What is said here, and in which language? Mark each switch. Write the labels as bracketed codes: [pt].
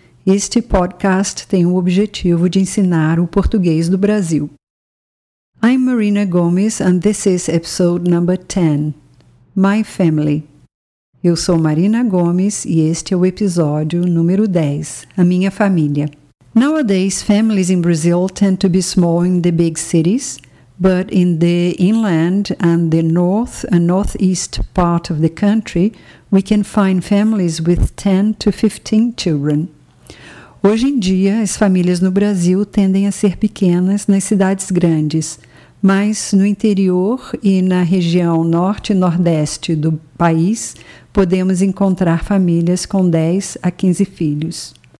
[pt] Este podcast tem o objetivo de ensinar o português do Brasil. [en] I'm Marina Gomes and this is episode number 10, My Family. [pt] Eu sou Marina Gomes e este é o episódio número 10, A Minha Família. [en] Nowadays, families in Brazil tend to be small in the big cities, but in the inland and the north and northeast part of the country, we can find families with 10 to 15 children. [pt] Hoje em dia, as famílias no Brasil tendem a ser pequenas nas cidades grandes, mas no interior e na região norte e nordeste do país, podemos encontrar famílias com 10 a 15 filhos.